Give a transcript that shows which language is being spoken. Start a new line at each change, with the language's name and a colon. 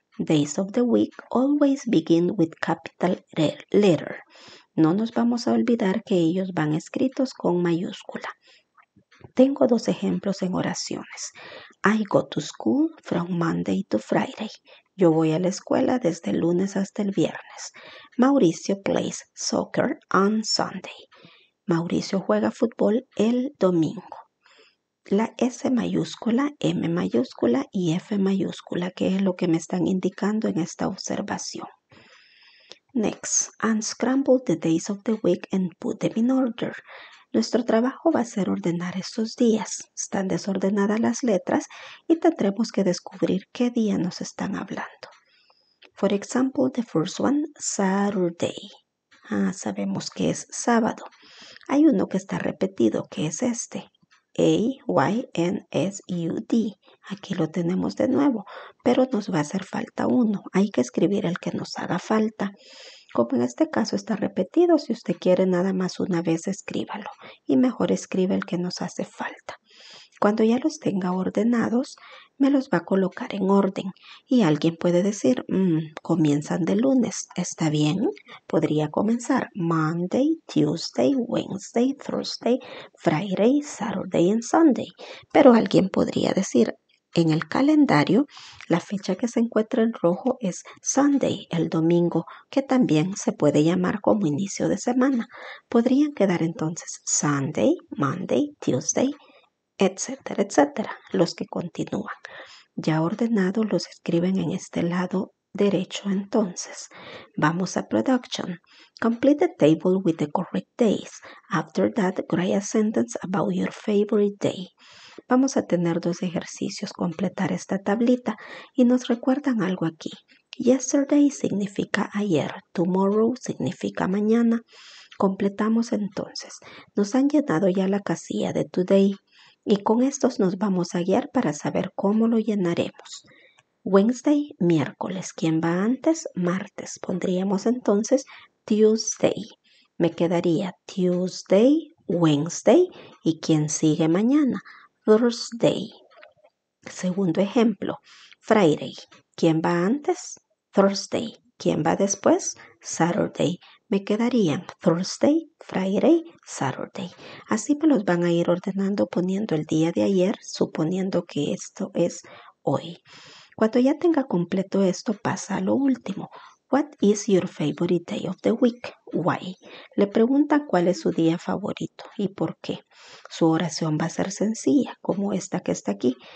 English: Days of the week always begin with capital letter.
Spanish: No nos vamos a olvidar que ellos van escritos con mayúscula. Tengo dos ejemplos en oraciones.
English: I go to school from Monday to Friday.
Spanish: Yo voy a la escuela desde el lunes hasta el viernes.
English: Mauricio plays soccer on Sunday.
Spanish: Mauricio juega fútbol el domingo. La S mayúscula, M mayúscula y F mayúscula, que es lo que me están indicando en esta observación.
English: Next, unscramble the days of the week and put them in order.
Spanish: Nuestro trabajo va a ser ordenar estos días. Están desordenadas las letras y tendremos que descubrir qué día nos están hablando.
English: For example, the first one, Saturday.
Spanish: Ah, sabemos que es sábado. Hay uno que está repetido, que es este. A-Y-N-S-U-D. Aquí lo tenemos de nuevo, pero nos va a hacer falta uno. Hay que escribir el que nos haga falta. Como en este caso está repetido, si usted quiere nada más una vez, escríbalo. Y mejor escribe el que nos hace falta. Cuando ya los tenga ordenados, me los va a colocar en orden. Y alguien puede decir, comienzan de lunes. ¿Está bien? Podría comenzar
English: Monday, Tuesday, Wednesday, Thursday, Friday, Saturday and Sunday.
Spanish: Pero alguien podría decir, en el calendario, la fecha que se encuentra en rojo es Sunday, el domingo, que también se puede llamar como inicio de semana. Podrían quedar entonces Sunday, Monday, Tuesday, etcétera, etcétera, los que continúan. Ya ordenado, los escriben en este lado derecho entonces. Vamos a
English: production. Complete the table with the correct days. After that, write a sentence about your favorite day.
Spanish: Vamos a tener dos ejercicios, completar esta tablita y nos recuerdan algo aquí. Yesterday significa ayer, tomorrow significa mañana. Completamos entonces. Nos han llenado ya la casilla de today y con estos nos vamos a guiar para saber cómo lo llenaremos. Wednesday, miércoles. ¿Quién va antes? Martes. Pondríamos entonces Tuesday. Me quedaría Tuesday, Wednesday y ¿quién sigue mañana? Thursday. Segundo ejemplo, Friday. ¿Quién va antes? Thursday. ¿Quién va después? Saturday. Me quedarían Thursday, Friday, Saturday. Así me los van a ir ordenando poniendo el día de ayer, suponiendo que esto es hoy. Cuando ya tenga completo esto, pasa a lo último.
English: What is your favorite day of the week? Why?
Spanish: Le pregunta cuál es su día favorito y por qué. Su oración va a ser sencilla, como esta que está aquí.